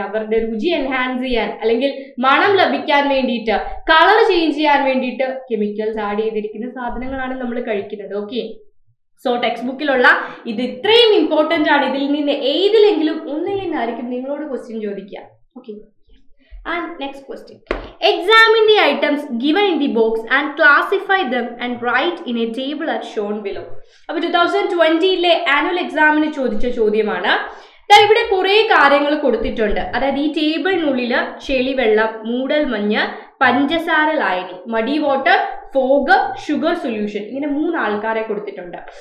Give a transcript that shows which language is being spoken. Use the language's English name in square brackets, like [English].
[Malayalam] അവരുടെ രുചി എൻഹാൻസ് ചെയ്യാൻ, അല്ലെങ്കിൽ മണം ലഭിക്കാൻ വേണ്ടിയിട്ട്, കളർ ചേഞ്ച് ചെയ്യാൻ വേണ്ടിയിട്ട് കെമിക്കൽസ് ആഡ് ചെയ്തിരിക്കുന്ന സാധനങ്ങളാണ് നമ്മൾ കഴിക്കുന്നത്. ഓക്കെ, സോ ടെക്സ്റ്റ് ബുക്കിലുള്ള ഇത് ഇത്രയും ഇമ്പോർട്ടൻ്റ് ആണ്. ഇതിൽ നിന്ന് ഏതിലെങ്കിലും ഒന്നിൽ നിന്നായിരിക്കും നിങ്ങളോട് ക്വസ്റ്റ്യൻ ചോദിക്കുക. [English] Okay, and next question. Examine the items given in the box and classify them and write in a table as shown below. [Malayalam] അപ്പോൾ 2020-ലെ ആനുവൽ എക്സാമിന് ചോദിച്ച ചോദ്യമാണ്. ദാ ഇവിടെ കുറേ കാര്യങ്ങൾ കൊടുത്തിട്ടുണ്ട്. അതായത് ഈ ടേബിളിനുള്ളിൽ ചെളി വെള്ളം, മൂടൽ മഞ്ഞ്, പഞ്ചസാര ലായനി, [English] muddy water, fog, sugar solution, [Malayalam] ഇങ്ങനെ മൂന്നാൾക്കാരെ കൊടുത്തിട്ടുണ്ട്.